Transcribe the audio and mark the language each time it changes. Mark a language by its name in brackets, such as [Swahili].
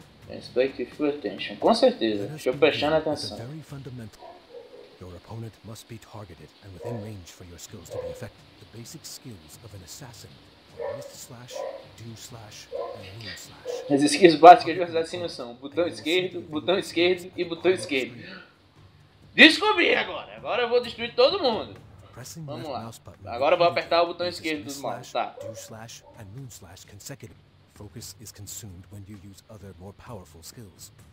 [Portuguese] Respect e [English] full attention, [Portuguese] com certeza, deixa eu prestar atenção. [English] Your opponent must be targeted and within range for your skills to be effective. The basic skills of an assassin are mist slash, dew slash, and moon slash. [Portuguese] As skills básicas de um assassino são botão esquerdo e botão esquerdo. Descobri agora! Agora eu vou destruir todo mundo! Vamos lá. Agora eu vou apertar o botão esquerdo dos mãos, tá? [English] Dew slash and moon slash consecutive. Focus is consumed when you use other more powerful skills.